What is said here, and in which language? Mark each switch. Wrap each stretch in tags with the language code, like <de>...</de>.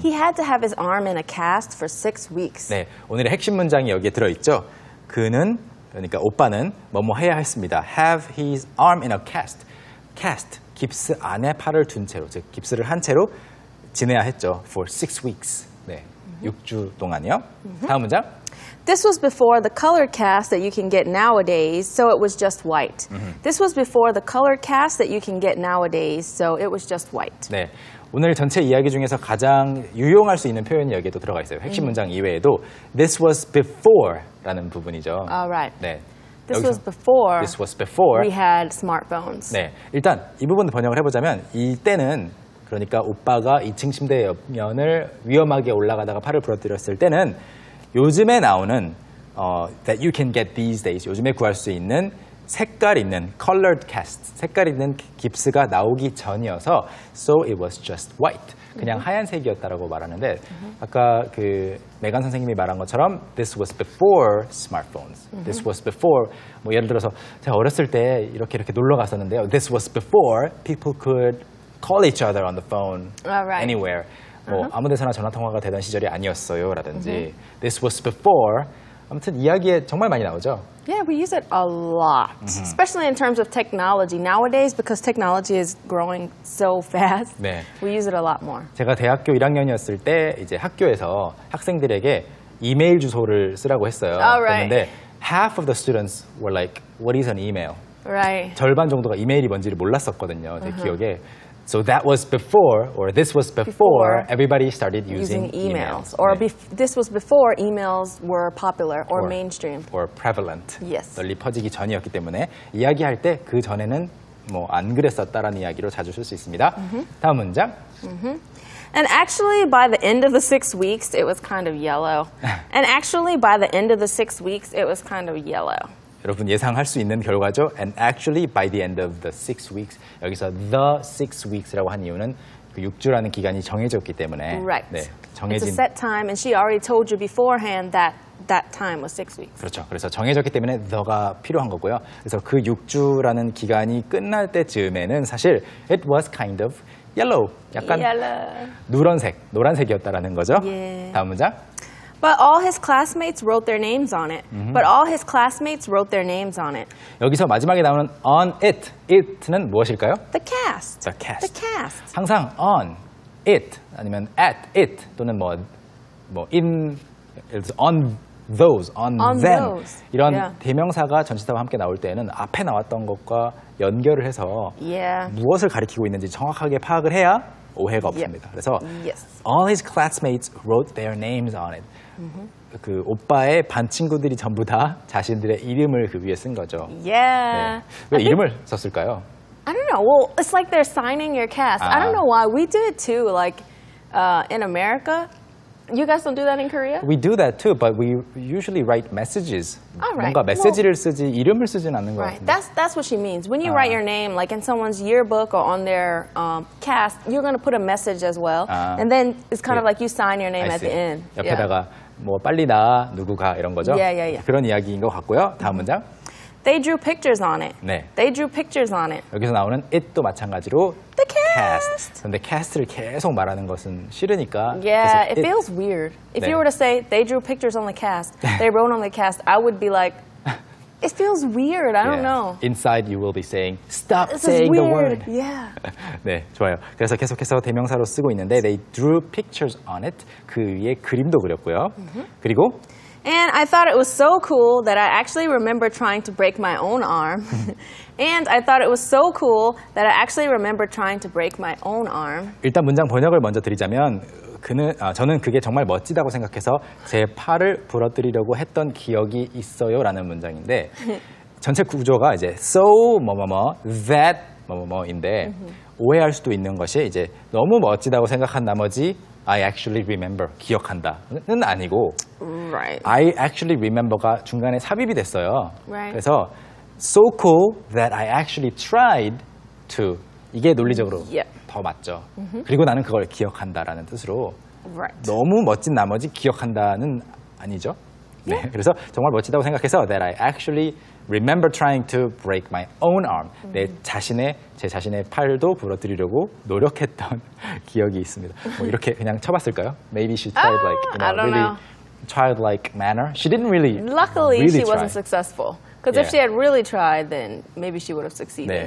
<en>He had to have his arm in a cast for 6 weeks.</en> <ko>네, 오늘의 핵심 문장이 여기에 들어있죠. 그는, 그러니까 오빠는 뭐뭐 해야 했습니다.</ko> <en>Have his arm in a cast.</en> <ko>Cast, 깁스 안에 팔을 둔 채로, 즉 깁스를 한 채로 지내야 했죠.</ko> <en>For 6 weeks.</en> <ko>네, mm-hmm. 6주 동안이요. Mm-hmm. 다음 문장.</ko> <en>This was before the color cast that you can get nowadays, so it was just white. Mm-hmm. This was before the color cast that you can get nowadays, so it was just white.</en> <ko>네, 오늘 전체 이야기 중에서 가장 유용할 수 있는 표현이 여기에도 들어가 있어요. 핵심 mm-hmm. 문장 이외에도 This was before라는 부분이죠.</ko> <en>All right.</en> <ko>네.</ko> <en>This was before. This was before. We had smartphones.</en> <ko>네, 일단 이 부분 번역을 해보자면 이때는 그러니까 오빠가 2층 침대 옆면을 위험하게 올라가다가 팔을 부러뜨렸을 때는 요즘에 나오는</ko> <en>that you can get these days,</en> <ko>요즘에 구할 수 있는 색깔 있는 colored cast, 색깔 있는 깁스가 나오기 전이어서</ko> <en>so it was just white,</en> <ko>그냥 mm-hmm. 하얀색이었다라고 말하는데 mm-hmm. 아까 그 메간 선생님이 말한 것처럼</ko> <en>this was before smartphones, mm-hmm. this was before,</en> <ko>뭐 예를 들어서 제가 어렸을 때 이렇게 놀러 갔었는데요.</ko> <en>This was before people could call each other on the phone All right. anywhere.</en> <ko>뭐</ko> <en>uh-huh.</en> <ko>아무 데서나 전화 통화가 되던 시절이 아니었어요 라든지 uh-huh.</ko> <en>This was before</en> <ko>아무튼 이야기에 정말 많이 나오죠.</ko> <en>Yeah, we use it a lot. Uh-huh. Especially in terms of technology nowadays because technology is growing so fast.</en> <ko>네.</ko> <en>We use it a lot more.</en> <ko>제가 대학교 1학년이었을 때 이제 학교에서 학생들에게 이메일 주소를 쓰라고 했어요.</ko> <en>All right.</en> <ko>그런데</ko> <en>half of the students were like what is an email? Right.</en> <ko>절반 정도가 이메일이 뭔지를 몰랐었거든요. 제 uh-huh. 기억에.</ko> <en>So that was before, or this was before, before everybody started using emails. Or</en> <ko>네.</ko> <en>this was before emails were popular or mainstream. Or prevalent. Yes.</en> <ko>널리 퍼지기 전이었기 때문에 이야기할 때 그 전에는 뭐 안 그랬었다라는 이야기로 자주 쓸 수 있습니다. Mm-hmm. 다음 문장. Mm-hmm.</ko> <en>And actually, by the end of the 6 weeks, it was kind of yellow. And actually, by the end of the 6 weeks, it was kind of yellow.</en> <ko>여러분 예상할 수 있는 결과죠.</ko> <en>And actually, by the end of the 6 weeks,</en> <ko>여기서 the 6 weeks라고 한 이유는 그 6주라는 기간이 정해졌기 때문에.</ko> <en>Right.</en> <ko>네, 정해진.</ko> <en>It's a set time, and she already told you beforehand that time was 6 weeks.</en> <ko>그렇죠. 그래서 정해졌기 때문에 the가 필요한 거고요. 그래서 그 6주라는 기간이 끝날 때쯤에는 사실</ko> <en>it was kind of yellow.</en> <ko>약간</ko> <en>yellow.</en> <ko>누런색, 노란색이었다라는 거죠.</ko> <en>Yeah.</en> <ko>다음 문장.</ko> <en>But all his classmates wrote their names on it. Mm-hmm. But all his classmates wrote their names on it.</en> <ko>여기서 마지막에 나오는 on it. It는 무엇일까요?</ko> <en>The cast. The cast. The cast.</en> <ko>항상 on it 아니면 at it 또는 뭐 in</ko> <en>It's on those, on them. Those.</en> <ko>이런</ko> <en>yeah.</en> <ko>대명사가 전치사와 함께 나올 때에는 앞에 나왔던 것과 연결을 해서</ko> <en>yeah.</en> <ko>무엇을 가리키고 있는지 정확하게 파악을 해야 오해가 없습니다.</ko> <en>Yep.</en> <ko>그래서</ko> <en>yes. All his classmates wrote their names on it. Mm-hmm.</en> <ko>그 오빠의 반 친구들이 전부 다 자신들의 이름을 그 위에 쓴 거죠.</ko> <en>Yeah.</en> <ko>네. 왜 이름을 썼을까요?</ko> <en>I don't know. Well, it's like they're signing your cast.</en> <ko>아.</ko> <en>I don't know why. We do it too, like in America. You guys don't do that in Korea? We do that too, but we usually write messages. Oh, right.</en> <ko>뭔가 메시지를</ko> <en>well,</en> <ko>쓰지, 이름을 쓰진 않는 것</ko> <en>right.</en> <ko>같은데.</ko> <en>That's what she means. When you write your name, like in someone's yearbook or on their cast, you're going to put a message as well. And then it's kind of like you sign your name I at see. The end.</en> <ko>옆에다가</ko> <en>yeah.</en> <ko>뭐 빨리 나, 누구 가, 이런 거죠?</ko> <en>Yeah, yeah, yeah.</en> <ko>그런 이야기인 것 같고요. 다음 문장.</ko> <en>They drew pictures on it.</en> <ko>네.</ko> <en>They drew pictures on it.</en> <ko>여기서 나오는 it도 마찬가지로</ko> <en>the cast.</en> <ko>근데 cast를 계속 말하는 것은 싫으니까.</ko> <en>Yeah, it feels weird. If</en> <ko>네.</ko> <en>you were to say they drew pictures on the cast, they wrote on the cast, I would be like, it feels weird. I don't yeah. know. Inside you will be saying, stop This saying is weird. The word. Yeah.</en> <ko>네, 좋아요. 그래서 계속해서 대명사로 쓰고 있는데</ko> <en>they drew pictures on it.</en> <ko>그 위에 그림도 그렸고요. Mm-hmm. 그리고</ko> <en>And I thought it was so cool that I actually remember trying to break my own arm. And I thought it was so cool that I actually remember trying to break my own arm.</en> <ko>일단 문장 번역을 먼저 드리자면 저는 그게 정말 멋지다고 생각해서 제 팔을 부러뜨리려고 했던 기억이 있어요라는 문장인데 전체 구조가 이제 so 뭐뭐뭐 that 뭐뭐뭐인데 오해할 수도 있는 것이 이제 너무 멋지다고 생각한 나머지</ko> <en>I actually remember,</en> <ko>기억한다는 아니고</ko> <en>right.</en> <ko>I actually remember가 중간에 삽입이 됐어요.</ko> <en>Right.</en> <ko>그래서</ko> <en>so cool that I actually tried to</en> <ko>이게 논리적으로</ko> <en>yep.</en> <ko>더 맞죠.</ko> <en>Mm-hmm.</en> <ko>그리고 나는 그걸 기억한다라는 뜻으로</ko> <en>right.</en> <ko>너무 멋진 나머지 기억한다는 아니죠.</ko> <en>Yeah.</en> <ko>네. 그래서 정말 멋지다고 생각해서</ko> <en>that I actually remember trying to break my own arm. Mm-hmm.</en> <ko>제 자신의 팔도 부러뜨리려고 노력했던 기억이 있습니다. 뭐 이렇게 그냥 쳐봤을까요?</ko> <en>Maybe she tried like in a really childlike manner. She didn't really Luckily, really she wasn't successful. Because yeah. if she had really tried, then maybe she would have succeeded.</en>